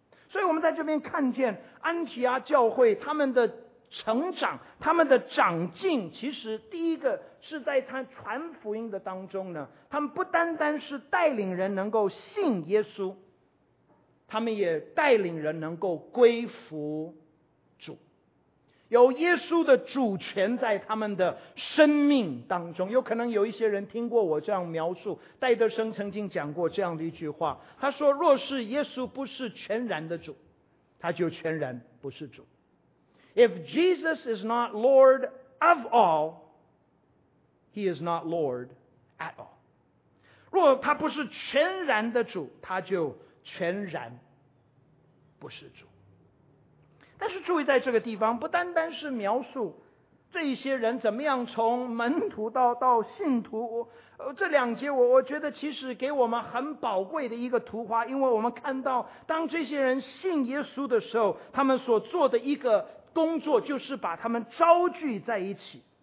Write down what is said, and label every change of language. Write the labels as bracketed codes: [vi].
[zh] 所以我们在这边看见安提阿教会他们的成长，他们的长进，其实第一个是在他传福音的当中呢，他们不单单是带领人能够信耶稣，他们也带领人能够归服主，有耶稣的主权在他们的生命当中。有可能有一些人听过我这样描述，戴德生曾经讲过这样的一句话，他说若是耶稣不是全然的主，他就全然不是主。 [en] If Jesus is not Lord of all, He is not Lord at all. [zh] 若他不是全然的主，他就全然不是主。但是注意，在这个地方不单单是描述这些人怎么样从门徒到信徒，这两节我觉得其实给我们很宝贵的一个图画，因为我们看到当这些人信耶稣的时候，他们所做的一个工作就是把他们招聚在一起。